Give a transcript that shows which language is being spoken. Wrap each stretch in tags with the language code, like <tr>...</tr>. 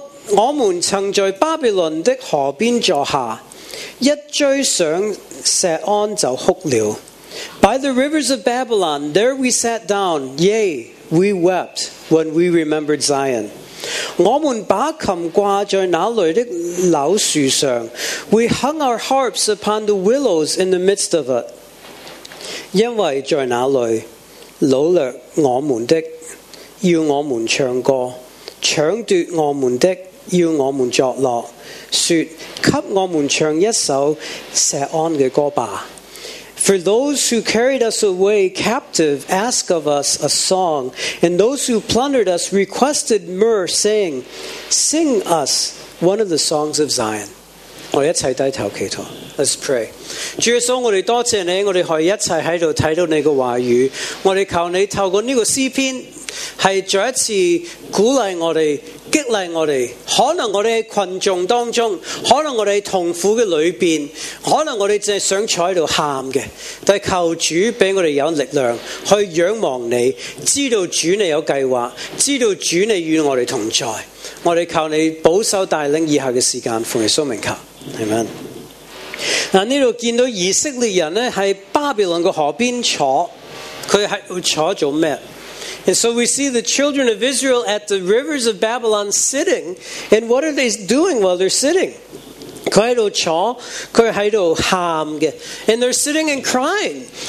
<zh>我们曾在巴比伦的河边坐下，一追上石安就哭了。</zh> <en>By the rivers of Babylon, there we sat down, yea, we wept when we remembered Zion.</en> <zh>我们把琴挂在那里的柳树上，</zh> <en>We hung our harps upon the willows in the midst of it.</en> <zh>因为在那里掳掠我们的要我们唱歌，抢夺我们的要我们作乐，说给我们唱一首锡安的歌吧。</zh> <en>For those who carried us away captive ask of us a song, and those who plundered us requested myrrh, saying, Sing us one of the songs of Zion.</en> <zh>我们一起低头祈祷。</zh> <en>Let's pray.</en> <zh>主耶稣，我们多谢你，我们可以一起在这里看到你的话语。我们求你透过这个诗篇是再一次鼓励我们，激励我们。可能我们在群众当中，可能我们在痛苦的里面，可能我们只是想坐在这里哭的，但求主给我们有力量去仰望你，知道主你有计划，知道主你与我们同在。我们求你保守带领以下的时间，奉耶稣名求， Amen。这里见到以色列人在巴比伦的河边坐，他在坐做什么？</zh> <en>And so we see the children of Israel at the rivers of Babylon sitting. And what are they doing while they're sitting? And they're sitting and crying.</en>